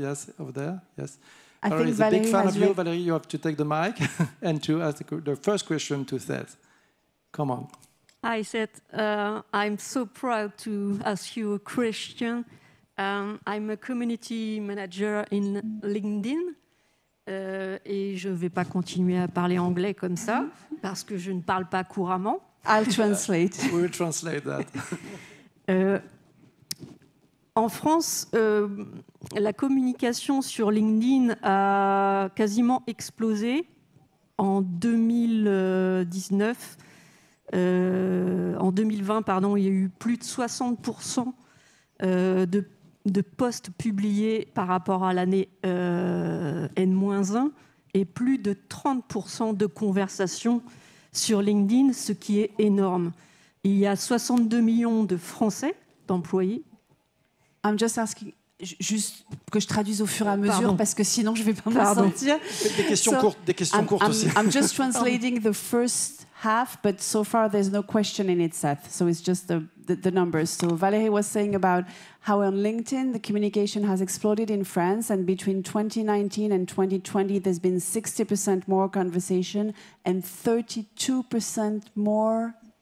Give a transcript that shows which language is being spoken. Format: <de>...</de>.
<en>Yes, over there. Yes. Valerie is a big fan of you. Valerie, you have to take the mic and to ask the first question to Seth. Come on. Hi, Seth. I'm so proud to ask you a question. I'm a community manager in LinkedIn.</en> <fr>Et je ne vais pas continuer à parler anglais comme ça, parce que je ne parle pas couramment.</fr> <en>I'll translate. We'll translate that.</en> <fr>En France, la communication sur LinkedIn a quasiment explosé en 2019. En 2020, pardon, il y a eu plus de 60% de postes publiés par rapport à l'année N-1 et plus de 30% de conversations sur LinkedIn, ce qui est énorme. Il y a 62 millions de Français d'employés.</fr> <en>I'm just asking,</en> <fr>juste que je traduise au fur et à mesure, pardon. Parce que sinon je ne vais pas m'en sortir. Des questions courtes aussi.</fr> <en>I'm just translating the first half, but so far there's no question in it, Seth. So it's just the numbers. So Valérie was saying about how on LinkedIn the communication has exploded in France, and between 2019 and 2020 there's been 60% more conversation and 32% more</en>